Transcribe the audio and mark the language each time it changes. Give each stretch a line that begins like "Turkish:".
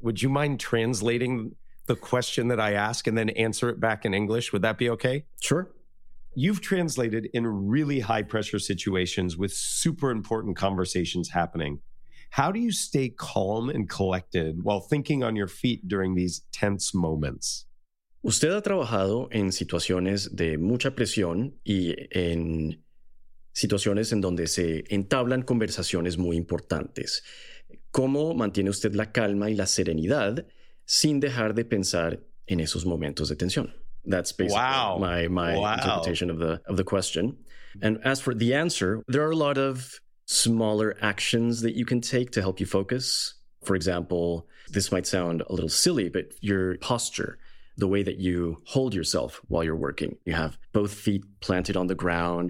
English: Would you mind translating the question that I ask and then answer it back in English? Would that be okay? Sure. You've translated in really high-pressure situations with super important conversations happening. How do you stay calm and collected while thinking on your feet during these tense moments?
Spanish: Usted ha trabajado en situaciones de mucha presión y en situaciones en donde se entablan conversaciones muy importantes. ¿Cómo mantiene usted la calma y la serenidad sin dejar de pensar en esos momentos de tensión?
English: That's basically my interpretation of the question. And as for the answer, there are a lot of smaller actions that you can take to help you focus. For example, this might sound a little silly, but your posture. the way that you hold yourself while you're working. You have both feet planted on the ground.